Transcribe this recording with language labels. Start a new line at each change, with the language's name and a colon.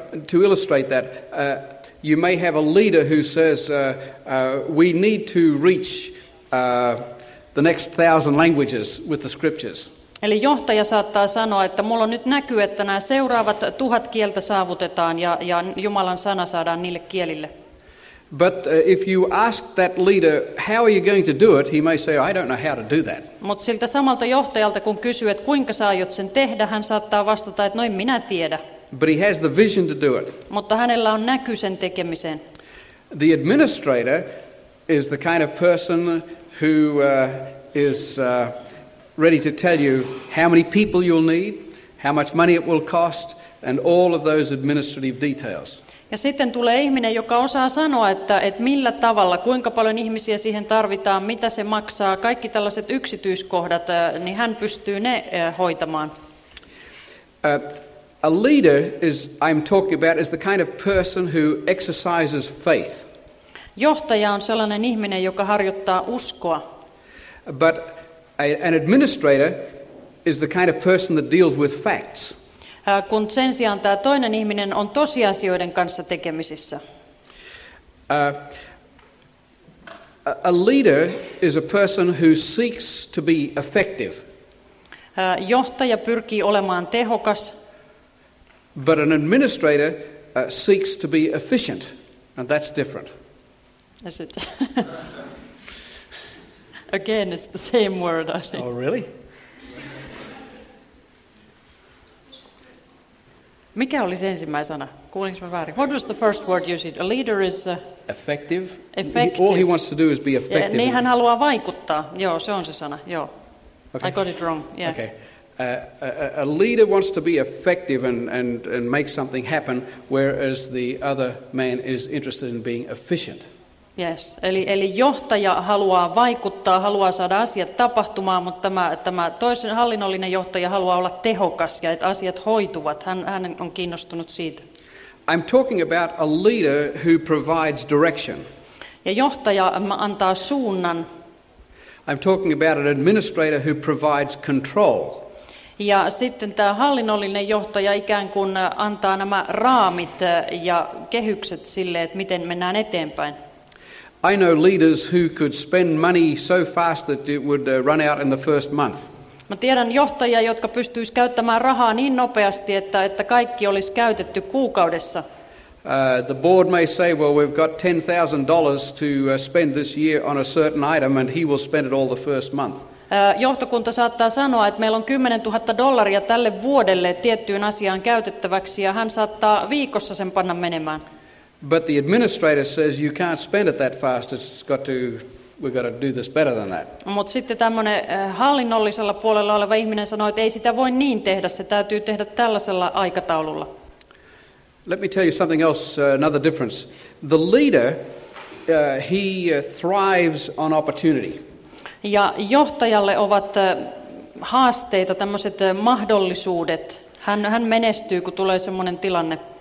English: To illustrate that, you may have a leader who says, we need to reach the next 1,000 languages with the scriptures.
Finnish: Eli johtaja saattaa sanoa, että mulla on nyt näky, että nämä seuraavat 1,000 kieltä saavutetaan ja Jumalan sana saadaan niille kielille.
English: But if you ask that leader, how are you going to do it, he may say, I don't know how to do that.
Finnish: Mutta siltä samalta johtajalta, kun kysyy, että kuinka sä aiot sen tehdä, hän saattaa vastata, että no en minä tiedä.
English: But he has the vision to do it.
Finnish: Mutta hänellä on näky sen tekemiseen.
English: The administrator is the kind of person who is ready to tell you how many people you'll need, how much money it will cost, and all of those administrative details.
Finnish: Ja sitten tulee ihminen, joka osaa sanoa, että millä tavalla, kuinka paljon ihmisiä siihen tarvitaan, mitä se maksaa, kaikki tällaiset yksityiskohdat, niin hän pystyy ne hoitamaan.
English: A leader is, I'm talking about, is the kind of person who exercises faith.
Finnish: Johtaja on sellainen ihminen, joka harjoittaa uskoa.
English: But an administrator is the kind of person that deals with facts.
Finnish: Kun sen sijaan tämä toinen ihminen on tosiasioiden kanssa tekemisissä.
English: A leader is a person who seeks to be effective.
Finnish: Johtaja pyrkii olemaan tehokas.
English: But an administrator seeks to be efficient, and that's different. Is it? Again, it's the same word, I think. Oh, really?
Finnish: Mikä oli se ensimmäinen sana? Kuulinko mä väärin?
English: What was the first word you said? A leader is effective. Effective. All he wants to do is be effective.
Finnish: Niin hän haluaa vaikuttaa. Joo, se on se sana. Joo.
English: Okay. I got it wrong. Yeah. Okay. A leader wants to be effective and make something happen, whereas the other man is interested in being efficient. Yes.
Finnish: Eli johtaja haluaa vaikuttaa, haluaa saada asiat tapahtumaan, mutta tämä toisen hallinnollinen johtaja haluaa olla tehokas ja että asiat hoituvat. Hän on kiinnostunut siitä.
English: I'm talking about a leader who provides direction.
Finnish: Ja johtaja antaa suunnan.
English: I'm talking about an administrator who provides control.
Finnish: Ja sitten tämä hallinnollinen johtaja ikään kuin antaa nämä raamit ja kehykset sille, että miten mennään eteenpäin.
English: I know leaders who could spend money so fast that it would run out in the first month.
Finnish: Mä tiedän johtajia, jotka pystyisi käyttämään rahaa niin nopeasti, että kaikki olisi käytetty kuukaudessa.
English: The board may say, well, we've got $10,000 to spend this year on a certain item and he will spend it all the first month.
Finnish: Johtokunta saattaa sanoa, että meillä on $10,000 tälle vuodelle tiettyyn asiaan käytettäväksi ja hän saattaa viikossa sen panna menemään.
English: But the administrator says you can't spend it that fast. It's got to, we've got to do this better than that.
Finnish: Mut sitten tämmönen hallinnollisella puolella oleva ihminen sanoi, että ei sitä voi niin tehdä, se täytyy tehdä tällaisella aikataululla.
English: Let me tell you something else, another difference. The leader he thrives on opportunity.
Finnish: Ja johtajalle ovat haasteita, tämmöiset mahdollisuudet. Hän menestyy, kun tulee semmoinen tilanne.